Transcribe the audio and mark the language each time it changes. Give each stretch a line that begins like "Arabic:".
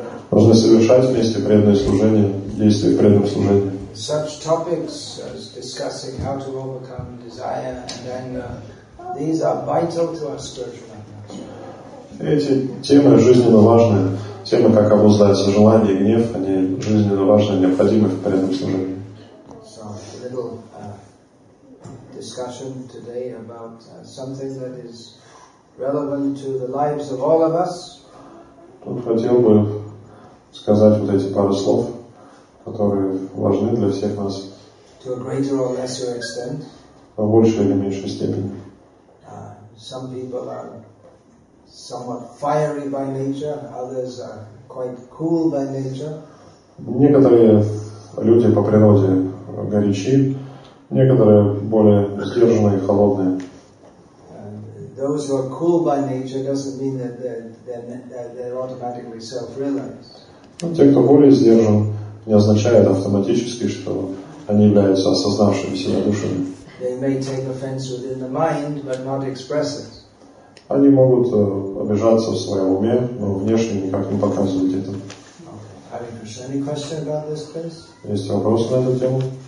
Russian: Нужно совершать вместе преданное служение, действия преданного служения.
English: Such topics as discussing how to overcome desire and anger, these are vital to our spiritual advancement.
Russian: Эти темы жизненно важны. Темы, как обуздать желание и гнев, они жизненно важны, необходимы в преданном служении.
English: So, a little discussion today about something that is relevant to the lives of all of us.
Russian: Тут хотел бы сказать вот эти пару слов, которые важны для всех нас.
English: To a greater or lesser extent.
Russian: в большей или меньшей степени.
English: Some people are somewhat fiery by nature, others are quite cool by nature.
Russian: Некоторые люди по природе горячи, некоторые более сдержанные и холодные.
English: Those who are cool by nature doesn't mean that they're automatically self-realized.
Russian: Те, кто более сдержан, не означает автоматически, что они являются осознавшими себя душами.
English: They may take offense within the mind, but not express it.
Russian: Они могут обижаться в своем уме, но внешне никак не показывают это.
English: Hare Krishna, any question about this, please?
Russian: Есть вопросы на эту тему?